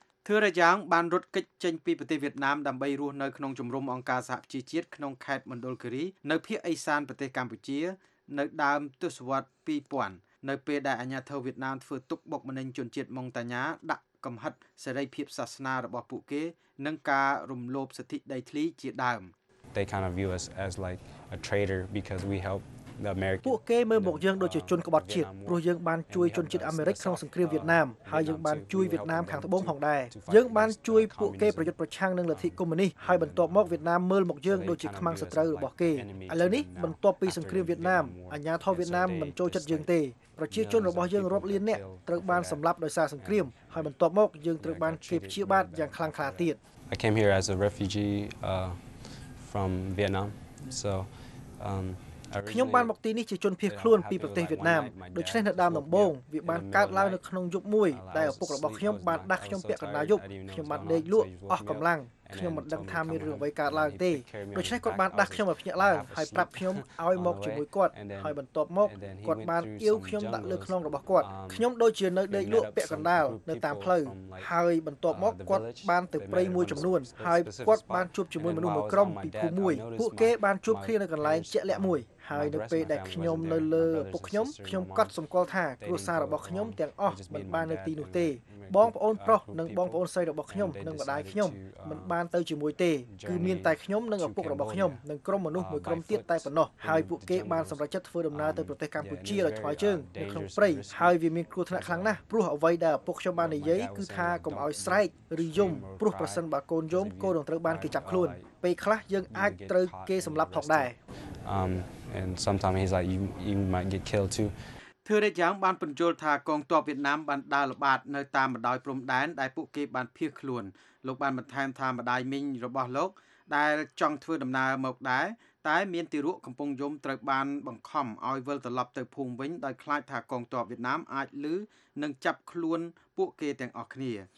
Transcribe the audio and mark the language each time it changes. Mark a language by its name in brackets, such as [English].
[Khmer] ធឿរយ៉ាងបានរត់គេចចេញពីប្រទេសវៀតណាមដើម្បីរស់នៅក្នុងជំរំអង្គការសហជីវជាតិក្នុងខេត្តមណ្ឌលគិរីនៅភាគអេសានប្រទេសកម្ពុជានៅដើមទសវត្ស2000នៅពេលដែលអាញាធិបតេយ្យវៀតណាមធ្វើទុកបុកម្នេញជនជាតិម៉ុងតាញ៉ាដាក់កំហិតសេរីភាពសាសនារបស់ពួកគេនិងការរំលោភសិទ្ធិដីធ្លីជាដើម [English] They kind of view us as like a traitor because we help the American [Khmer] ពួកគេមើលមកយើងដូចជាជនក្បត់ជាតិព្រោះយើងបានជួយជនជាតិអាមេរិកក្នុងសង្គ្រាមវៀតណាមហើយយើងបានជួយវៀតណាមខាងត្បូងផងដែរយើងបានជួយពួកគេប្រយុទ្ធប្រឆាំងនឹងលទ្ធិកុម្មុយនីសហើយបន្ទាប់មកវៀតណាមមើលមកយើងដូចជាខ្មាំងសត្រូវរបស់គេឥឡូវនេះបន្ទាប់ពីសង្គ្រាមវៀតណាមអាជ្ញាធរវៀតណាមមិនចូលចិត្តយើងទេប្រជាជនរបស់យើងរាប់លាននាក់ត្រូវបានសម្លាប់ដោយសារសង្គ្រាមហើយបន្ទាប់មកយើងត្រូវបានគេព្យាបាទយ៉ាងខ្លាំងក្លាទៀត [English] I came here as a refugee from Vietnam so [Khmer] ខ្ញុំបានមកទីនេះជាជនភៀសខ្លួនពីប្រទេសវៀតណាមដូច្នេះនៅដើមដំបូងវាបានកើតឡើងនៅក្នុងយប់មួយដែលឪពុករបស់ខ្ញុំបានដាស់ខ្ញុំពាក់កណ្ដាលយប់ខ្ញុំបានដេកលក់អស់កម្លាំងខ្ញុំមិនដឹងថាមានរឿងអ្វីកើតឡើងទេដូច្នេះគាត់បានដាស់ខ្ញុំឲ្យភ្ញាក់ឡើងហើយប្រាប់ខ្ញុំឲ្យមកជាមួយគាត់ហើយបន្ទាប់មកគាត់បានអៀវខ្ញុំដាក់លើខ្នងរបស់គាត់ខ្ញុំដូចជានៅដេកលក់ពាក់កណ្ដាលនៅតាមផ្លូវ ហើយបន្ទាប់មកគាត់បានទៅព្រៃមួយចំនួនហើយគាត់បានជួបជាមួយមនុស្សមួយក្រុមពីភូមិមួយពួកគេបានជួបគ្នានៅកន្លែងជាក់លាក់មួយហើយនៅពេលដែលខ្ញុំនៅលើពួកខ្ញុំខ្ញុំកត់សម្គាល់ថាគ្រួសាររបស់ខ្ញុំទាំងអស់មិនបាននៅទីនោះទេ បងប្អូនប្រុសនិងបងប្អូនស្រីរបស់ខ្ញុំនិងម្ដាយខ្ញុំមិនបានទៅជាមួយទេគឺមានតែខ្ញុំនិងឪពុករបស់ខ្ញុំនិងក្រុមមនុស្សមួយក្រុមទៀតតែប៉ុណ្ណោះហើយពួកគេបានសម្រេចចិត្តធ្វើដំណើរទៅប្រទេសកម្ពុជាដោយថ្មើរជើងនៅក្នុងព្រៃហើយវាមានគ្រោះថ្នាក់ខ្លាំងណាស់ព្រោះអ្វីដែលឪពុកខ្ញុំបាននិយាយគឺថាកុំឲ្យស្រែកឬយំព្រោះប្រសិនបើកូនយំកូននឹងត្រូវបានគេចាប់ខ្លួនពេលខ្លះយើងអាចត្រូវគេសម្លាប់ផងដែរ [English] and sometimes he's like you might get killed too [Khmer] ធឿរ៉េយ៉ាងបានបញ្ជាក់ថាកងទ័ពវៀតណាមបានដើរល្បាតនៅតាមបណ្ដោយព្រំដែនដែលពួកគេបានភៀសខ្លួនលោកបានបន្ថែមថាម្ដាយមីងរបស់លោកដែលចង់ធ្វើដំណើរមកដែរតែមានទីរក់កំពុងយំត្រូវបានបង្ខំឲ្យវិលត្រឡប់ទៅភូមិវិញដោយខ្លាចថាកងទ័ពវៀតណាមអាចលឺនិងចាប់ខ្លួនពួកគេទាំងអស់គ្នា